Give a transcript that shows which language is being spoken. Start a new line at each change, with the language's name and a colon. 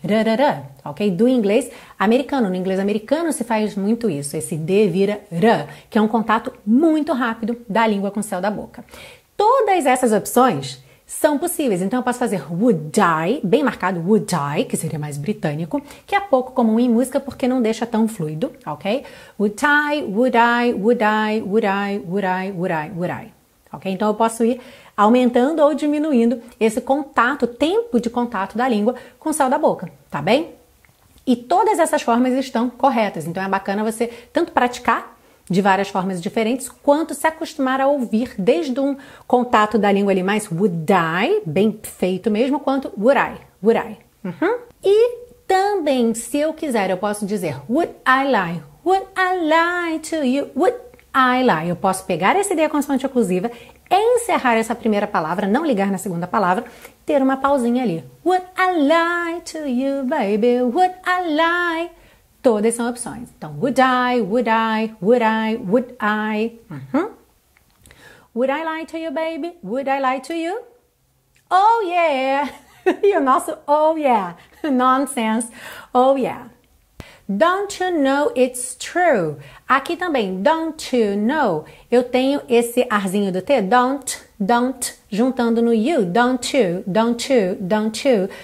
Portuguese: Rarara, ok? Do inglês americano. No inglês americano se faz muito isso. Esse D vira r, que é um contato muito rápido da língua com o céu da boca. Todas essas opções são possíveis. Então eu posso fazer
English: would I,
Portuguese: bem marcado would I, que seria mais britânico, que é pouco comum em música porque não deixa tão fluido, ok?
English: Would I, would I, would I, would I, would I, would I, would I. Ok?
Portuguese: Então eu posso ir aumentando ou diminuindo esse contato, tempo de contato da língua com o céu da boca, tá bem? E todas essas formas estão corretas. Então é bacana você tanto praticar de várias formas diferentes, quanto se acostumar a ouvir desde um contato da língua ali mais would I, bem feito mesmo, quanto
English: would I, would I.
Portuguese: E também, se eu quiser, eu posso dizer
English: would I lie, would I lie
Portuguese: to you, would I lie. Eu posso pegar essa ideia consoante oclusiva, encerrar essa primeira palavra, não ligar na segunda palavra, ter uma pausinha ali.
English: Would I lie to you, baby, would I lie.
Portuguese: Todas são opções.
English: Então, would I, would I, would I, would I. Would I lie to you, baby? Would I lie to you? Oh yeah!
Portuguese: E o nosso
English: oh yeah! Nonsense! Oh yeah! Don't you know it's true?
Portuguese: Aqui também,
English: don't you know?
Portuguese: Eu tenho esse arzinho do T,
English: don't, don't,
Portuguese: juntando no you.
English: Don't you, don't you, don't you.